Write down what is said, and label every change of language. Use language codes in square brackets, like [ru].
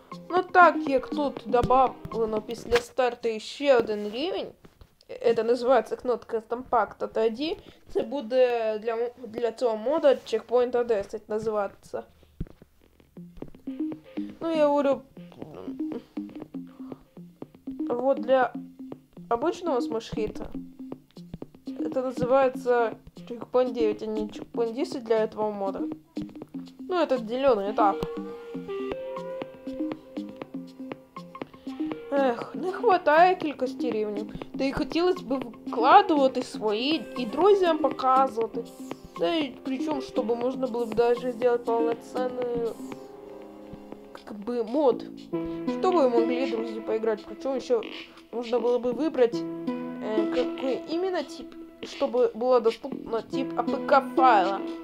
[uk] Ну так, як тут добавлено після старту ще один рівень, це називається кнопка стампакта, тоді це буде для цього мода чекпоінта 10 називатися. Ну я говорю... [ru] Вот для обичного смешхіта, [uk] це називається... [ru] чекпоинт 9, а не чекпоинт 10 для этого мода. Ну, это зеленый этап. Эх, не хватает [uk] кількості рівнів. [ru] Да и хотелось бы вкладывать свои и друзьям показывать. Да и причем, чтобы можно было бы даже сделать полноценный как бы мод. Чтобы могли друзья поиграть. Причем еще можно было бы выбрать какой именно тип, чтобы было доступно тип АПК файла.